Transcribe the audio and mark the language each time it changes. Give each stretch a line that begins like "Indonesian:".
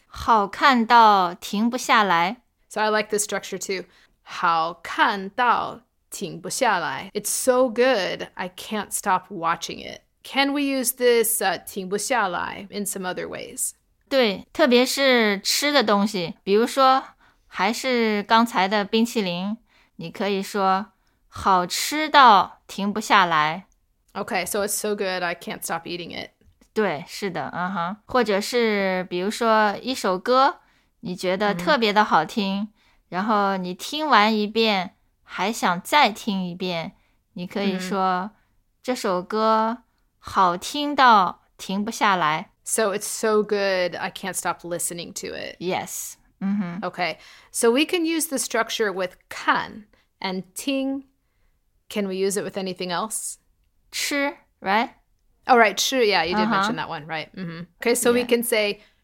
Chinese: 好看到停不下来。
English: So I like this structure too.
Chinese: 好看到停不下来.
English: It's so good, I can't stop watching it. Can we use this 停不下来 in some other ways?
Chinese: 对,特别是吃的东西。比如说,还是刚才的冰淇淋,你可以说好吃到停不下来。
English: Okay, so it's so good, I can't stop eating it.
Chinese: 对,是的,uh-huh. 或者是比如说一首歌。你觉得特别的好听、mm-hmm. 然后你听完一遍还想再听一遍你可以说、mm-hmm. 这首歌好听到停不下来。
English: So it's so good, I can't stop listening to it. Yes.、Mm-hmm. Okay, so we can use the structure with 看 and 听. Can we use it with anything else? 吃, right? Oh, right, 吃, yeah, you did、uh-huh. mention that one, right?、Mm-hmm. Okay, so、yeah. we can say...